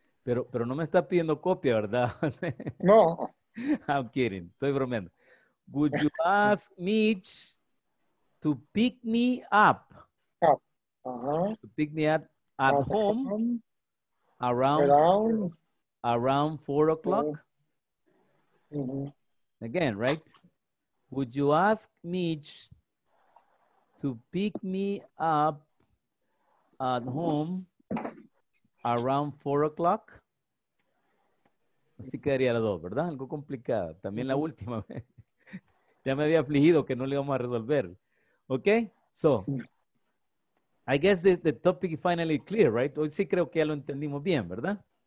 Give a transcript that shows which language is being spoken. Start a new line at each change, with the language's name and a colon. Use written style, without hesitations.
Spanish: Pero no me está pidiendo copia, ¿verdad, José? No.
English: I'm kidding.
Spanish: Estoy bromeando.
English: Would you ask Mitch to pick me up? To pick me up at home around 4 o'clock? Mm-hmm. Again, right? Would you ask Mitch to pick me up at home around 4 o'clock?
Spanish: Así quedaría la dos, ¿verdad? Algo complicada. También la última. Ya me había afligido que no le íbamos a resolver.
English: Ok, so. I guess the topic is finally clear, right?
Spanish: Hoy sí creo que ya lo entendimos bien, ¿verdad?